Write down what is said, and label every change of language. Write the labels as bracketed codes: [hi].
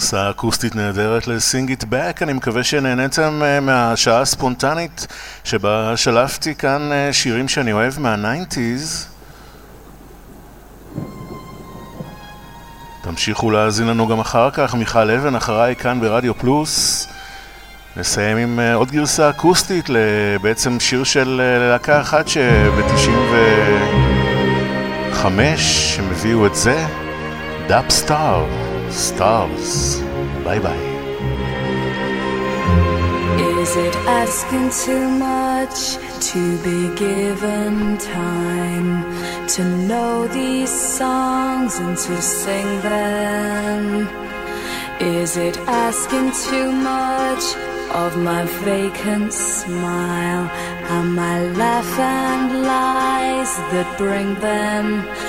[he] אקוסטית נהדרת ל-Sing It Back. אני מקווה שנהנתם מהשעה הספונטנית שבה שלפתי כאן שירים שאני אוהב מה-90s. תמשיכו להזין לנו גם אחר כך, מיכל אבן אחריי כאן ברדיו פלוס. נסיים עם עוד גרסה אקוסטית לבעצם שיר של להקה אחת שב-95 הם הביאו את זה, דאפ סטאר, סטארס. [en] Bye-bye. Is it asking too much to be given time to know these songs and to sing them? Is it asking too much of my vacant smile and my laugh and lies that bring them?